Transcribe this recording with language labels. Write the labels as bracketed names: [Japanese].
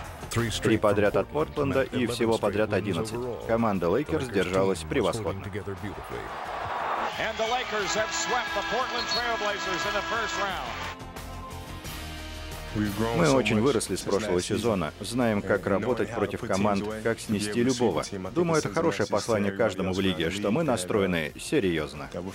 [Russian] 3 подряд от Портленда и всего подряд 11. Команда Лейкерс держалась превосходно. [English] And the Lakers have swept the Portland Trailblazers in the first round. [Russian] Мы очень выросли с прошлого сезона, знаем, как работать против команд, как снести любого. Думаю, это хорошее послание каждому в лиге, что мы настроены серьезно.